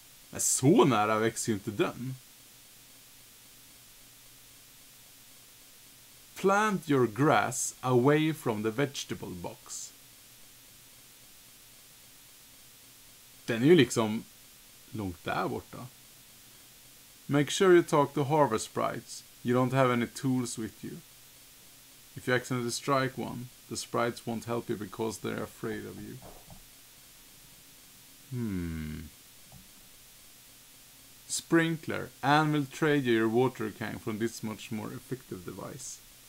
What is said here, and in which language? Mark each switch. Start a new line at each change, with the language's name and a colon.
Swedish: Men så nära växer ju inte den.
English: Plant your grass away from the vegetable box.
Swedish: Den är ju liksom långt där borta.
English: Make sure you talk to harvest sprites. You don't have any tools with you. If you accidentally strike one, the sprites won't help you because they're afraid of you. Sprinkler. Anvil trade you your water can from this much more effective device.